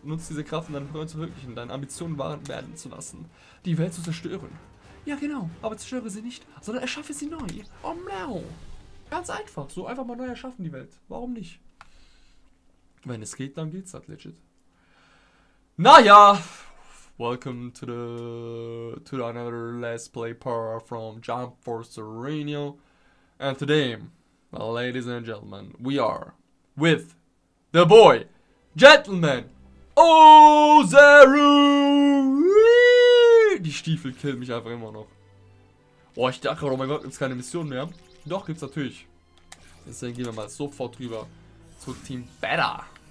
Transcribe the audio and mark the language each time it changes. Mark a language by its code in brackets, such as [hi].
[de] Nutze diese Kraft, um deinen Freund zu verwirklichen, deine Ambitionen wahr werden zu lassen. Die Welt zu zerstören. Ja, genau. Aber zerstöre sie nicht, sondern erschaffe sie neu. Oh, no. Ganz einfach. So einfach mal neu erschaffen, die Welt. Warum nicht? Wenn es geht, dann geht's halt legit. [en] Naja. Welcome to the... to another Let's Play Part from Jump Force Arena. And today, ladies and gentlemen, we are with the boy... Gentlemen! Oh, Zeru! [de] Die Stiefel killen mich einfach immer noch. Oh, ich dachte gerade, oh mein Gott, gibt es keine Mission mehr? Doch, gibt's natürlich. Deswegen gehen wir mal sofort rüber zu Team Beta.